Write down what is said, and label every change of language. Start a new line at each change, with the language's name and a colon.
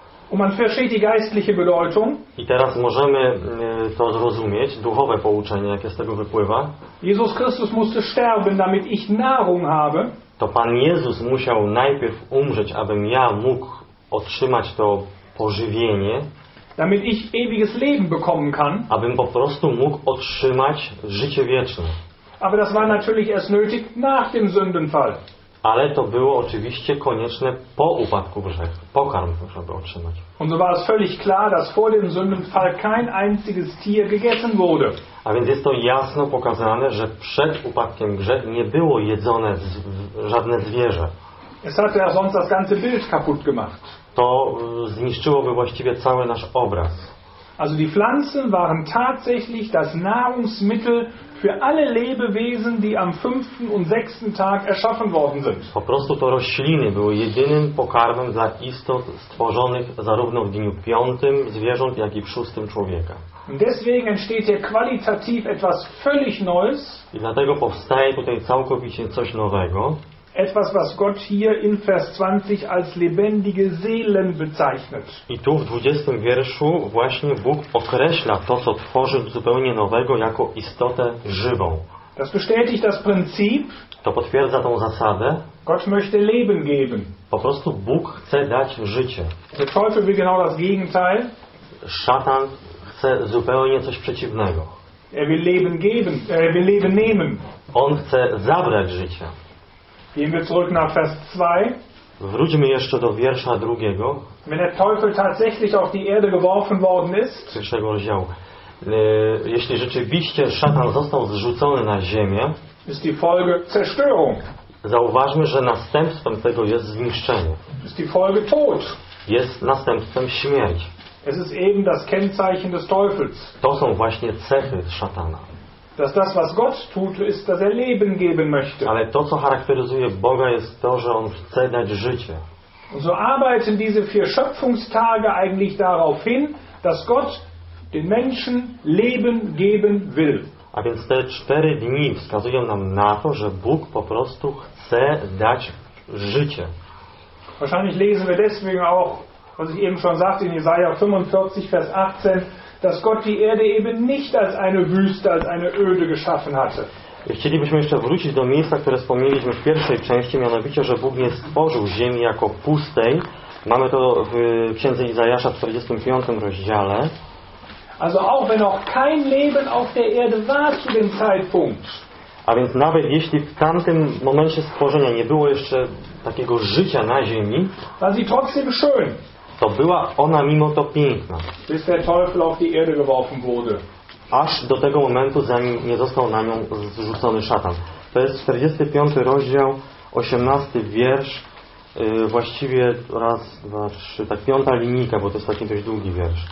German: Und man versteht die geistliche Bedeutung.
Polish: I teraz możemy to zrozumieć, duchowe pouczenie, jakie z tego wypływa.
German: Jesus Christus musste sterben, damit ich Nahrung habe.
Polish: To Pan Jezus musiał najpierw umrzeć, abym ja mógł otrzymać to pożywienie.
German: Damit ich ewiges Leben bekommen kann.
Polish: Abym po prostu mógł otrzymać życie wieczne.
German: Aber das war natürlich erst nötig nach dem Sündenfall.
Polish: Ale to było oczywiście konieczne po upadku grzechu, pokarm, żeby otrzymać.
German: Und so war es völlig klar, dass vor dem Sündenfall kein einziges Tier gegessen wurde.
Polish: A więc jest to jasno pokazane, że przed upadkiem grzechu nie było jedzone żadne zwierzę.
German: Es hatte ja sonst das ganze Bild kaputt gemacht.
Polish: To zniszczyłoby właściwie cały nasz obraz.
German: Also die Pflanzen waren tatsächlich das Nahrungsmittel für alle Lebewesen, die am fünften und sechsten Tag erschaffen worden sind.
Polish: Po prostu to rośliny były jedynym pokarmem dla istot stworzonych zarówno w dniu piątym zwierząt, jak i w szóstym człowieka.
German: Und deswegen entsteht hier qualitativ etwas völlig Neues.
Polish: I dlatego powstaje tutaj całkowicie coś nowego.
German: Etwas, was Gott hier in Vers 20 als lebendige Seelen bezeichnet.
Polish: I tu w 20 wierszu właśnie Bóg określa to, co tworzy zupełnie nowego, jako istotę żywą.
German: Das bestätigt das Prinzip.
Polish: To potwierdza tą zasadę.
German: Gott möchte Leben geben.
Polish: Po prostu Bóg chce dać życie.
German: Der Teufel will genau das Gegenteil.
Polish: Szatan chce zupełnie coś przeciwnego.
German: Er will Leben geben, er will Leben nehmen.
Polish: On chce zabrać życie.
German: Gehen wir zurück nach Vers 2.
Polish: Wróćmy jeszcze do wiersza drugiego.
German: Wenn der Teufel tatsächlich auf die Erde geworfen worden ist.
Polish: Pierwszego rozdziału. Jeśli rzeczywiście szatan został zrzucony na ziemię.
German: Ist die Folge Zerstörung.
Polish: Zauważmy, że następstwem tego jest zniszczenie.
German: Ist die Folge Tod.
Polish: Jest następstwem śmierć.
German: Es ist eben das Kennzeichen des Teufels.
Polish: To są właśnie cechy szatana.
German: Dass das, was Gott tut, ist, dass er Leben geben möchte.
Polish: Ale to, co charakteryzuje Boga, jest to, że on chce dać życie.
German: Und so arbeiten diese vier Schöpfungstage eigentlich darauf hin, dass Gott den Menschen Leben geben will.
Polish: A więc te cztery dni wskazują nam na to, że Bóg po prostu chce dać życie.
German: Wahrscheinlich lesen wir deswegen auch, was ich eben schon sagte, in Jesaja 45, Vers 18. Dass Gott die Erde eben nicht als eine Wüste, als eine Öde geschaffen hatte.
Polish: Chcielibyśmy jeszcze wrócić do miejsca, które wspomnieliśmy w pierwszej części, mianowicie, że Bóg nie stworzył ziemi jako pustej. Mamy to w Księdze Izajasza w 45 rozdziale.
German: Also auch wenn noch kein Leben auf der Erde war zu dem Zeitpunkt.
Polish: A więc nawet jeśli w tamtym momencie stworzenia nie było jeszcze takiego życia na ziemi,
German: war sie trotzdem schön.
Polish: To była ona mimo to piękna.
German: Bis der Teufel auf die Erde geworfen wurde.
Polish: Aż do tego momentu, zanim nie został na nią zrzucony szatan. To jest 45 rozdział, 18 wiersz. Właściwie raz, dwa, trzy, tak piąta linijka, bo to jest taki dość długi wiersz.